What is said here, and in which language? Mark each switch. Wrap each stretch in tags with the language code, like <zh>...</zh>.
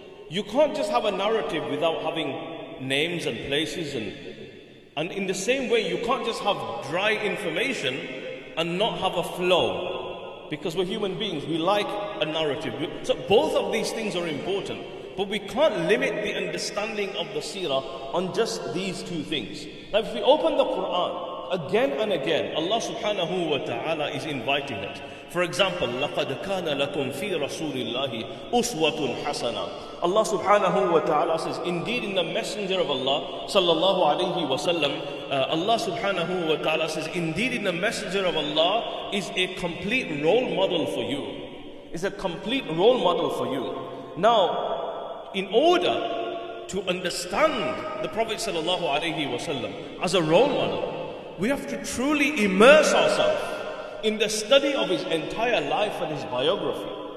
<en>You can't just have a narrative without having names and places, and in the same way, you can't just have dry information and not have a flow. Because we're human beings, we like a narrative. So both of these things are important, but we can't limit the understanding of the seerah on just these two things. Now, if we open the Quran, again and again, Allah subhanahu wa ta'ala is inviting it. For example,</en> <ar>لَقَدْ كَانَ لَكُمْ فِي رَسُولِ اللَّهِ أُسْوَةٌ حَسَنًا.</ar> <en>Allah subhanahu wa ta'ala says, indeed in the Messenger of Allah, sallallahu alayhi wa sallam, Allah subhanahu wa ta'ala says, indeed in the Messenger of Allah is a complete role model for you. Is a complete role model for you. Now, in order to understand the Prophet sallallahu alayhi wa sallam as a role model, we have to truly immerse ourselves in the study of his entire life and his biography.</en>